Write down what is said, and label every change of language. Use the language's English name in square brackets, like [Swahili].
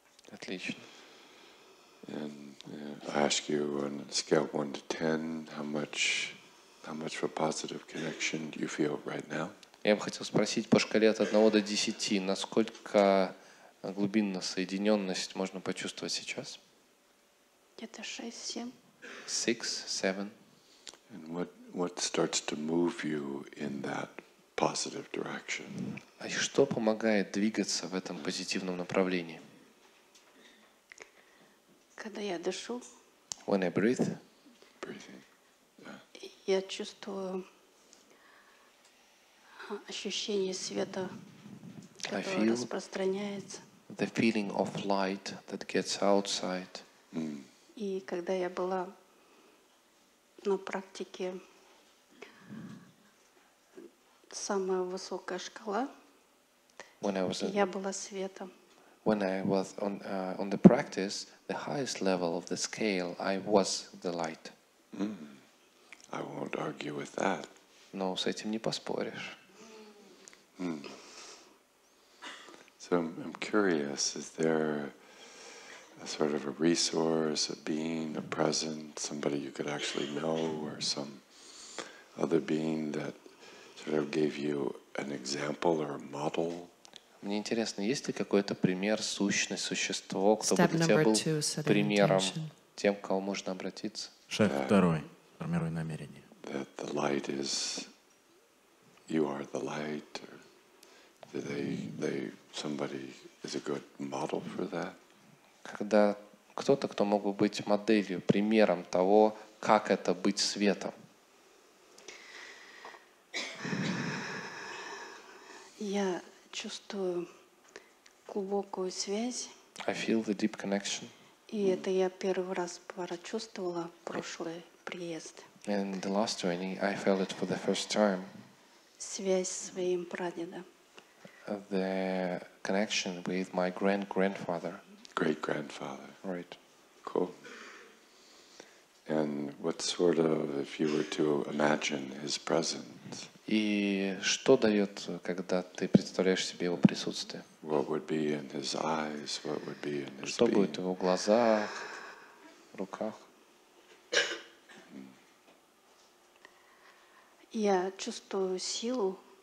[English] And I ask you on a scale of 1 to 10, how much of a positive connection do you feel right now? [Russian] Я бы хотел спросить по шкале от 1 до 10, насколько глубинно соединенность можно почувствовать сейчас? Это 6-7. 6-7. [English] And what starts to move you in that positive direction? [Russian] А что помогает двигаться в этом позитивном направлении? Когда я дышу, [English] When I breathe, [Russian] я чувствую ощущение света, которое распространяется. [English] The feeling of light that gets outside. [Russian] И когда я была на практике, самая высокая шкала, я была светом. [English] When I was on the practice, the highest level of the scale, I was the light. Mm. I won't argue with that. [Russian] Но с этим не поспоришь. Mm. [English] So I'm curious, is there a sort of a resource, a being, a present, somebody you could actually know, or some other being that sort of gave you an example or a model? [Russian] Мне интересно, есть ли какой-то пример, сущность, существо, кто бы для тебя был примером, тем, к кому можно обратиться? Шаг второй. Формируй намерение. [English] That the light is, you are the light, or they somebody is a good model for that. [Russian] Когда кто-то, кто мог бы быть моделью, примером того, как это быть светом? Я чувствую глубокую связь. [English] I feel the deep connection. [Russian] И это я первый раз прочувствовала в прошлый приезд. [English] In the last training, I felt it for the first time. [Russian] Связь с своим прадедом. [English] The connection with my great-grandfather. Great-grandfather. Right. Cool. And what sort of, if you were to imagine his presence? [Russian] И что дает, когда ты представляешь себе его присутствие? [English] What would be in his eyes? What would be in his Что being? [Russian] Будет в его глазах, руках? Я чувствую силу.